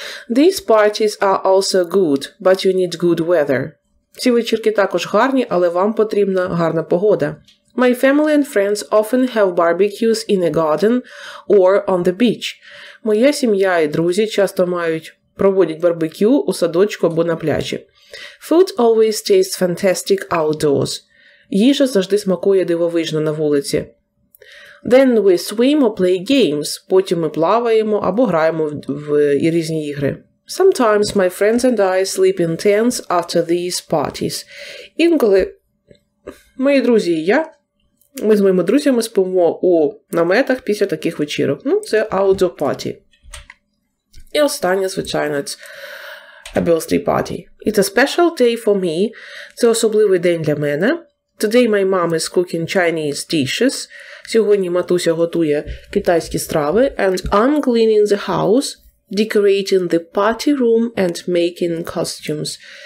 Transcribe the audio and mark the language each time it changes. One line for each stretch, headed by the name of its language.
English: These parties are also good, but you need good weather.
Ukrainian: Ці вечірки також гарні, але вам потрібна гарна погода.
English: My family and friends often have barbecues in a garden or on the beach.
Ukrainian: Моя сім'я і друзі часто проводять барбекю у садочку або на пляжі.
English: Food always tastes fantastic outdoors.
Ukrainian: Їжа завжди смакує дивовижно на вулиці.
English: Then we swim or play games.
Ukrainian: Потім ми плаваємо або граємо в різні ігри.
English: Sometimes my friends and I sleep in tents after these parties.
Ukrainian: Інколи мої друзі і я, ми з моїми друзями спимо у наметах після таких вечірок. Ну, це outdoor party. І останнє, звичайно, це birthday party.
English: It's a special day for me.
Ukrainian: Це особливий день для мене.
English: Today my mom is cooking Chinese dishes.
Ukrainian: Сьогодні матуся готує китайські страви.
English: And I'm cleaning the house, decorating the party room and making costumes.